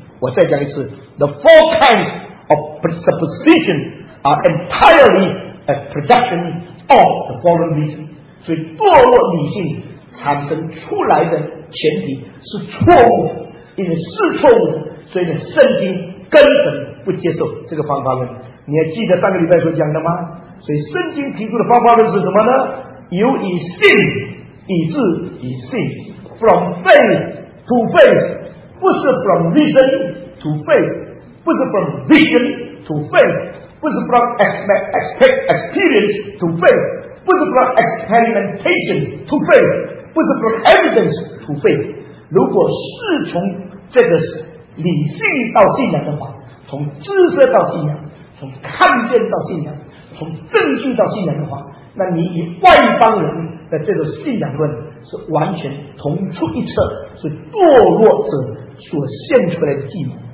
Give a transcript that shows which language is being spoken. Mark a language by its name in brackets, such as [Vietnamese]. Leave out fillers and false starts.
[Chinese] 我再讲一次 [English] ，The four kinds of presupposition are entirely a production of the fallen reason。 [Chinese] 所以堕落理性产生出来的前提是错误的，因为是错误的，所以呢，圣经根本不接受这个方法论。你还记得上个礼拜所讲的吗？所以圣经提出的方法论是什么呢？由以信以智以信 [English] ，from faith to faith， [Chinese] 不是 [English] from reason to faith， 不是 from vision to faith， 不是 from experience to faith， 不是 from experimentation to faith， 不是 from evidence to faith。 [Chinese] 如果是从这个理性到信仰的话，从知识到信仰，从看见到信仰，从证据到信仰的话，那你与外邦人的这个信仰论是完全同出一辙，是堕落者所献出来的计谋。